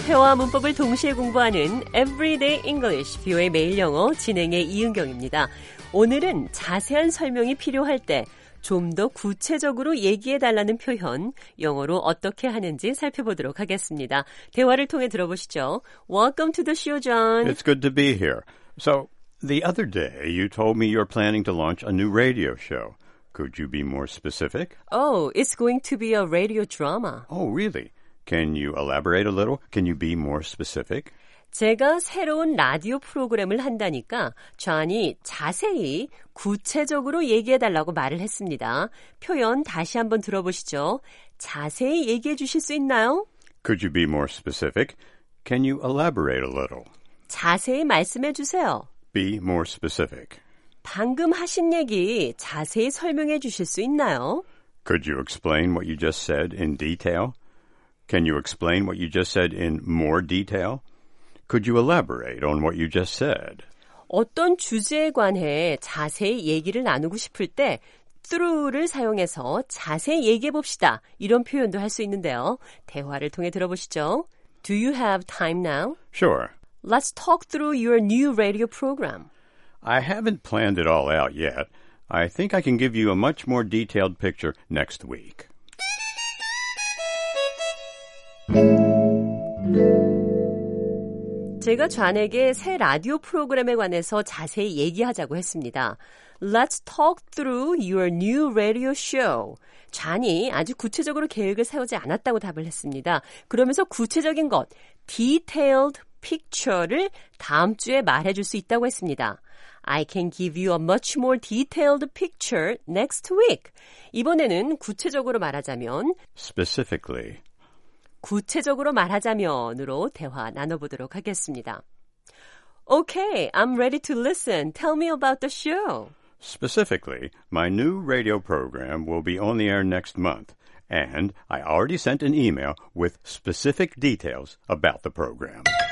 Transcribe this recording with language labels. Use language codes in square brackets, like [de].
[ko] 회화 문법을 동시에 공부하는 Everyday English, VOA 매일 영어 진행의 이은경입니다. 오늘은 자세한 설명이 필요할 때 좀 더 구체적으로 얘기해달라는 표현, 영어로 어떻게 하는지 살펴보도록 하겠습니다. 대화를 통해 들어보시죠. [en] Welcome to the show, John. It's good to be here. So, the other day, you told me you're planning to launch a new radio show. Could you be more specific? Oh, it's going to be a radio drama. Oh, really? Can you elaborate a little? Can you be more specific? [ko] 제가 새로운 라디오 프로그램을 한다니까 존이 자세히 구체적으로 얘기해달라고 말을 했습니다. 표현 다시 한번 들어보시죠. 자세히 얘기해 주실 수 있나요? [en] Could you be more specific? Can you elaborate a little? [ko] 자세히 말씀해 주세요. [en] Be more specific. [ko] 방금 하신 얘기 자세히 설명해 주실 수 있나요? [en] Could you explain what you just said in detail? Can you explain what you just said in more detail? Could you elaborate on what you just said? [ko] 어떤 주제에 관해 자세히 얘기를 나누고 싶을 때 through를 사용해서 자세히 얘기해 봅시다. 이런 표현도 할 수 있는데요. 대화를 통해 들어보시죠. [en] Do you have time now? Sure. Let's talk through your new radio program. I haven't planned it all out yet. I think I can give you a much more detailed picture next week. [ko] 제가 존에게 새 라디오 프로그램에 관해서 자세히 얘기하자고 했습니다. [en] Let's talk through your new radio show. [ko] 존이 아주 구체적으로 계획을 세우지 않았다고 답을 했습니다. 그러면서 구체적인 것, [en] detailed picture [ko] 를 다음 주에 말해줄 수 있다고 했습니다. [en] I can give you a much more detailed picture next week. [ko] 이번에는 구체적으로 말하자면 [en] specifically [ko] 구체적으로 말하자면으로 대화 나눠보도록 하겠습니다. [en] Okay, I'm ready to listen. Tell me about the show. Specifically, my new radio program will be on the air next month, and I already sent an email with specific details about the program.